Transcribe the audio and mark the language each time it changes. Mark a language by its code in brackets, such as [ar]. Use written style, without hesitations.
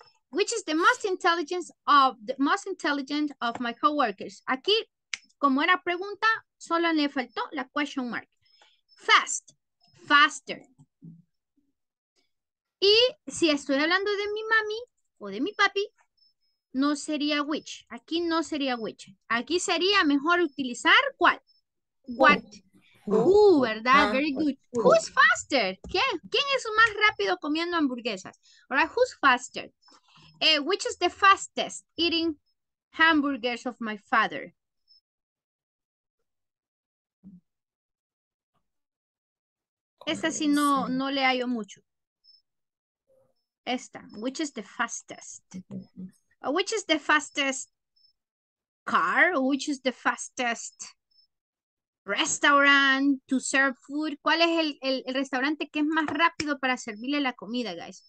[en] Which is the most intelligent of the most intelligent of my coworkers? [es] Aquí, como era pregunta, solo le faltó la question mark. [en] Fast, faster. [es] Y si estoy hablando de mi mami o de mi papi, no sería which. Aquí no sería which. Aquí sería mejor utilizar cuál. What? Who, ¿verdad? [en] Very good. Who's faster? [es] ¿Quién es más rápido comiendo hamburguesas? [en] All right, who's faster? Which is the fastest eating hamburgers of my father? [es] Esta sí no le hallo mucho. Esta. [en] Which is the fastest? Which is the fastest car? Which is the fastest restaurant to serve food. [es] ¿Cuál es el restaurante que es más rápido para servirle la comida, guys?